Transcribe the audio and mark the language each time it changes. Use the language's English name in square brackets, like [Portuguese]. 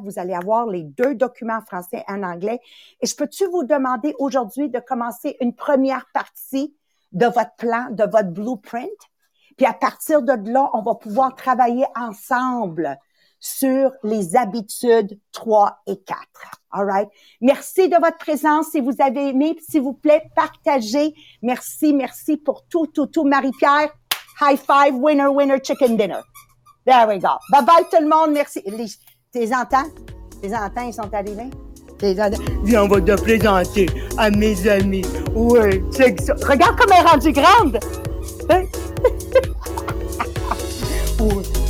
[French] Vous allez avoir les deux documents en français et en anglais. Et je peux-tu vous demander aujourd'hui de commencer une première partie de votre plan, de votre blueprint, Puis à partir de là, on va pouvoir travailler ensemble sur les habitudes 3 et 4. [English] All right? [French] Merci de votre présence. Si vous avez aimé, s'il vous plaît, partagez. Merci, merci pour tout, tout, tout. [English] Marie-Pierre, high five, winner, winner, chicken dinner. There we go. Bye-bye [French] tout le monde. Merci. Les entends, ils sont arrivés? Viens, on va te présenter à mes amis. Oui, c'est ça. Regarde comme elle est rendue grande. Hein? Oui.